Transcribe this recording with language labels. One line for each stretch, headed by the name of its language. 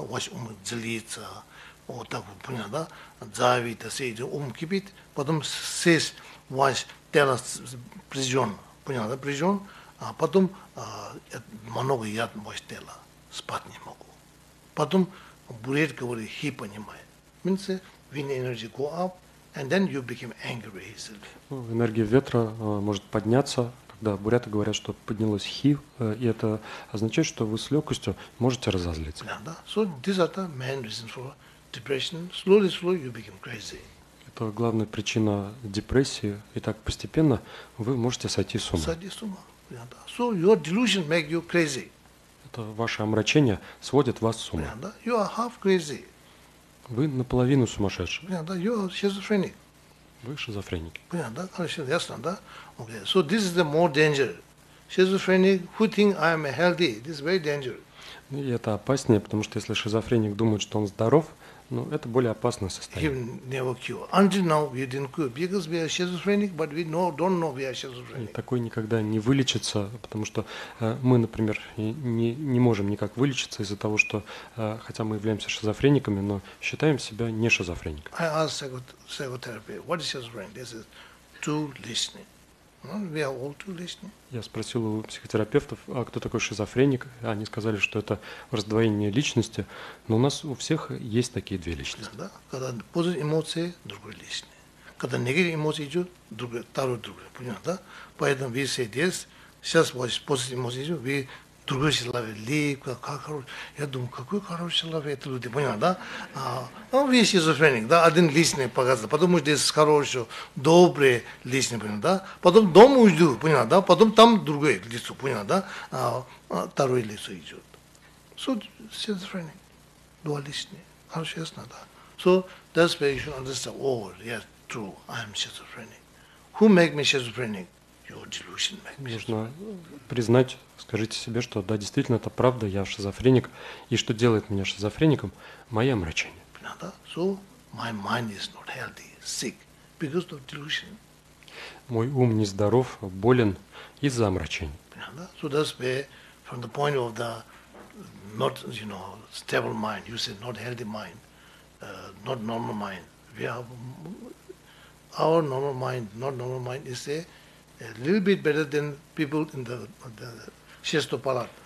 Russian: Ваш ум злится. Вот так, понял, да? Завидно, все эти ум кипит. Потом сесть ваш тело прижжен. Понял, да? Прижжен. А потом много яд в ваше тело. Спать не могу. Потом бурет говорит, he понимает.
English: Means wind energy go up, and then you become angry easily.
Russian: Энергия ветра может подняться, когда буряты говорят, что поднялась he, и это означает, что вы с легкостью можете разозлиться. Yeah, да?
English: So these are the main reasons for depression. Slowly, slowly you become crazy.
Russian: Это главная причина депрессии. И так постепенно вы можете сойти с ума. Сойти с ума.
English: Yeah, да? So your delusion make you crazy.
Russian: То ваше омрачение сводит вас с ума.
English: Yeah, да? You are half crazy.
Russian: Вы наполовину сумасшедший.
English: Yeah, да? You are schizophrenic.
Russian: Вы шизофреник. Понятно, да? Хорошо, ясно, да?
English: Okay. So this is the more danger. Schizophrenic who think I am healthy, this is very dangerous.
Russian: И это опаснее, потому что если шизофреник думает, что он здоров, ну, это более опасное состояние.
English: He never cure. Until now we didn't cure because we are schizophrenic, but we know, don't know we are schizophrenic.
Russian: И такой никогда не вылечится, потому что мы, например, не можем никак вылечиться из-за того, что хотя мы являемся шизофрениками, но считаем себя не шизофреником.
English: I ask psychotherapy, what is schizophrenic? This is too listening. We are all too listening.
Russian: Я спросил у психотерапевтов, а кто такой шизофреник? Они сказали, что это раздвоение личности. Но у нас у всех есть такие две личности. Да, когда позитивные эмоции, другой личный. Когда негативные эмоции идут, второй другой. Понятно, да? Поэтому вы все здесь, сейчас у вас позитивные эмоции идут, вы другой человек, липко, как хороший. Я думаю, какой хороший человек, это люди, понятно, да? Вы шизофреник, да, один личный показан, потому что здесь хороший, добрый личный, понятно, да? Потом дом уйду, понятно, да? Потом там другое лицо, понятно, да? Второе лицо идет.
English: So,
Russian: шизофреник, два личные, хорошо, ясно, да?
English: So, that's where you should understand, oh, yeah, true, I am schizophrenic. Who make me schizophrenic?
Russian: Нужно признать, скажите себе, что да, действительно, это правда, я шизофреник, и что делает меня шизофреником? Мое омрачение.
English: So my mind is not healthy, sick, because of delusion.
Russian: Мой ум нездоров, болен из-за омрачений.
English: So that's where, from the point of the not, you know, stable mind, you say not healthy mind, not normal mind. We have our normal mind, not normal mind is a little bit better than people in the Shesto Palat.